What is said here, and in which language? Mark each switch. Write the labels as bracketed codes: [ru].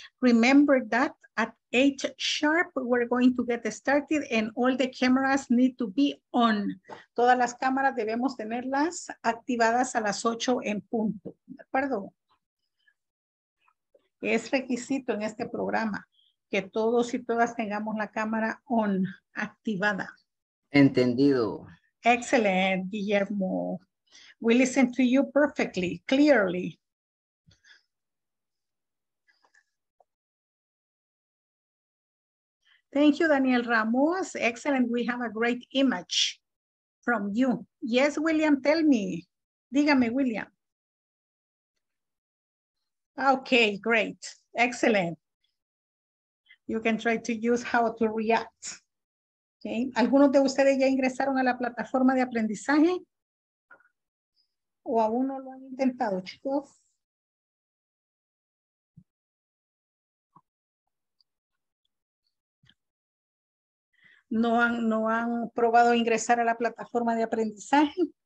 [en] Remember that at 8 sharp, we're going to get started and all the cameras need to be on. [es] Todas las cámaras debemos tenerlas activadas a las 8 en punto. ¿De acuerdo? Es requisito en este programa que todos y todas tengamos la cámara on, activada. Entendido. [en] Excellent, Guillermo. We listen to you perfectly, clearly. Thank you, Daniel Ramos. Excellent, we have a great image from you. Yes, William, tell me. [es] Dígame, [en] William. Okay, great, excellent. You can try to use how to react. Okay. [es] ¿Algunos de ustedes ya ingresaron a la plataforma de aprendizaje? ¿O aún no lo han intentado, chicos? ¿No han probado ingresar a la plataforma de aprendizaje?